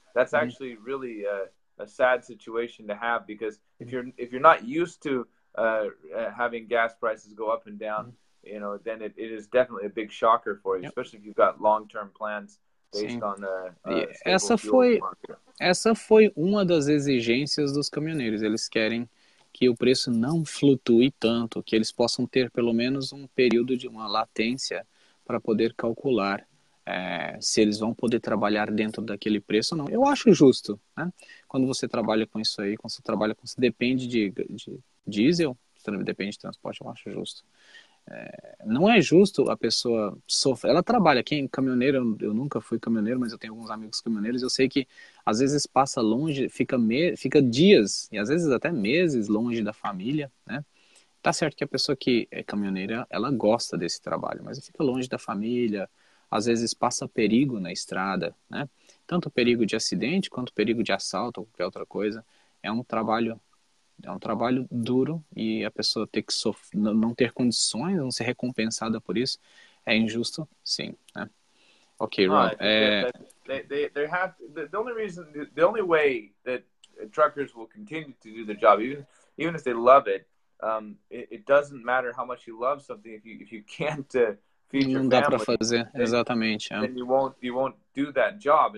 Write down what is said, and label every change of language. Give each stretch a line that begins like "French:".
English: That's actually really a sad situation to have, because if you're not used to having gas prices go up and down, you know, then it is definitely a big shocker for you, especially if you've got long-term plans based on the
Portuguese: Essa foi uma das exigências dos caminhoneiros. Eles querem que o preço não flutue tanto, que eles possam ter pelo menos um período de uma latência para poder calcular se eles vão poder trabalhar dentro daquele preço ou não. Eu acho justo, né? Quando você trabalha com isso aí, quando você trabalha com isso, depende de diesel, depende de transporte, eu acho justo. Não é justo a pessoa sofrer. Ela trabalha, quem caminhoneiro, eu nunca fui caminhoneiro, mas eu tenho alguns amigos caminhoneiros, eu sei que às vezes passa longe, fica dias e às vezes até meses longe da família, né? Tá certo que a pessoa que é caminhoneira, ela gosta desse trabalho, mas fica longe da família, às vezes passa perigo na estrada, né? Tanto perigo de acidente quanto perigo de assalto ou qualquer outra coisa. É um trabalho duro, e a pessoa ter que não ter condições, não ser recompensada por isso, é injusto, sim, né? Ok, Rob.
English: The only way that truckers will continue to do their job, even if they love it, it doesn't matter how much you love something if you can't feed your family.
Portuguese: Não dá para fazer, exatamente.
English: Then you won't do that job.